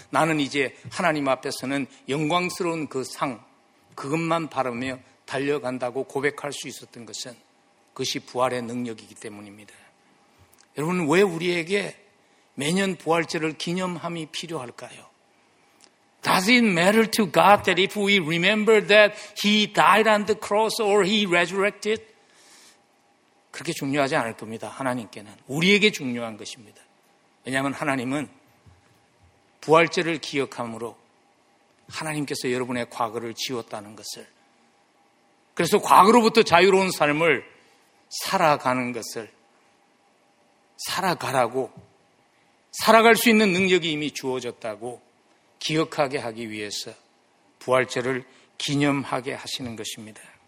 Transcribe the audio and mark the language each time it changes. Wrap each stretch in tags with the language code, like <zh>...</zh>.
<ko>나는 이제 하나님 앞에서는 영광스러운 그 상, 그것만 바라며 달려간다고 고백할 수 있었던 것은 그것이 부활의 능력이기 때문입니다. 여러분, 왜 우리에게 매년 부활절을 기념함이 필요할까요?</ko> <en>Does it matter to God that if we remember that He died on the cross or He resurrected?</en> <ko>그렇게 중요하지 않을 겁니다. 하나님께는. 우리에게 중요한 것입니다. 왜냐하면 하나님은 부활절을 기억함으로 하나님께서 여러분의 과거를 지웠다는 것을, 그래서 과거로부터 자유로운 삶을 살아가는 것을, 살아가라고, 살아갈 수 있는 능력이 이미 주어졌다고 기억하게 하기 위해서 부활절을 기념하게 하시는 것입니다.</ko>